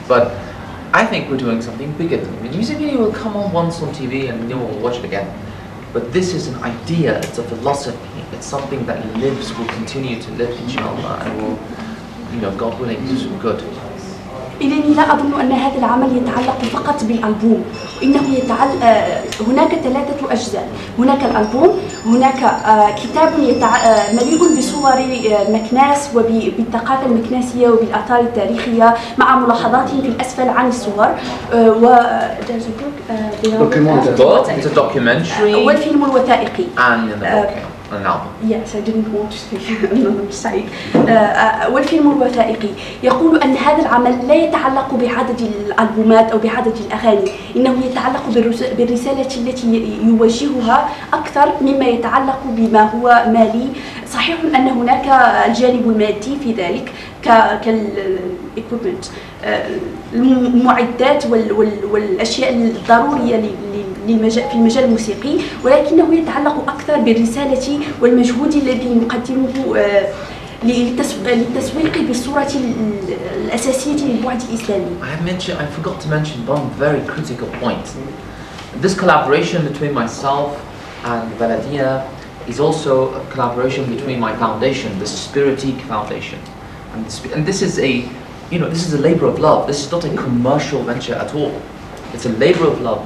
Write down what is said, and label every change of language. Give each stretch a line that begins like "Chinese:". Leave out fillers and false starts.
English: But I think we're doing something bigger than the music video. Will come on once on TV and no one will watch it again. But this is an idea, it's a philosophy, it's something that lives, will continue to live, inshallah, and will, you know, God willing, do some good.
Arabic: إذن لا أظن أن هذا العمل يتعلق فقط بالألبوم، إنه يتعلق. هناك ثلاثة أجزاء، هناك الألبوم، هناك كتاب مليء بصور مكناس وبالثقافة المكناسية وبالآثار التاريخية مع ملاحظات في الأسفل عن الصور، و
English: documentary it's a documentary
Arabic: والفيلم الوثائقي
English: and in the book. النعم. Yes, I didn't want to speak another side.
Arabic: والفيلم الوثائقي يقول أن هذا العمل لا يتعلق بعدد الألبومات أو بعدد الأغاني، إنه يتعلق بالرسالة التي يوجهها أكثر مما يتعلق بما هو مالي. صحيح أن هناك الجانب المادي في ذلك كالإكويبمنت، المعدات والأشياء الضرورية في المجال الموسيقي، ولكنه يتعلق أكثر بالرسالة والمجهود الذي نقدمه للتسويق بالصورة الأساسية للبعد الإسلامي.
English: I forgot to mention one very critical point. This collaboration between myself and Baladia is also a collaboration between my foundation, the Spiritique Foundation. And this is a, you know, this is a labor of love. This is not a commercial venture at all. It's a labor of love.